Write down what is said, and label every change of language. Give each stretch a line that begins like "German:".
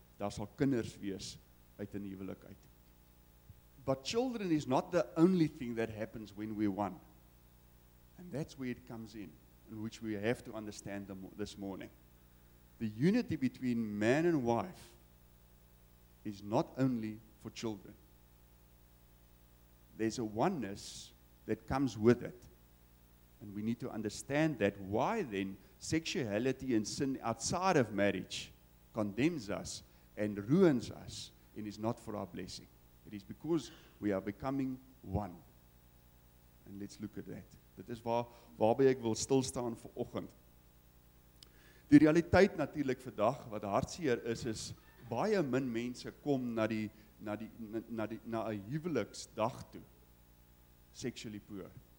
Afrikaans: Daar sal kinders wees uit 'n huwelik uit.
English: But children is not the only thing that happens when we one. And that's where it comes in which we have to understand this morning. The unity between man and wife is not only for children. There's a oneness that comes with it. And we need to understand that. Why then sexuality and sin outside of marriage condemns us and ruins us and is not for our blessing. It is because we are becoming one. And let's look at that.
Afrikaans: Dit is waarby ek wil stilstaan vir oggend. Die realiteit natuurlik vandag wat hartseer is baie min mense kom na 'n huweliksdag toe
English: sexually pure.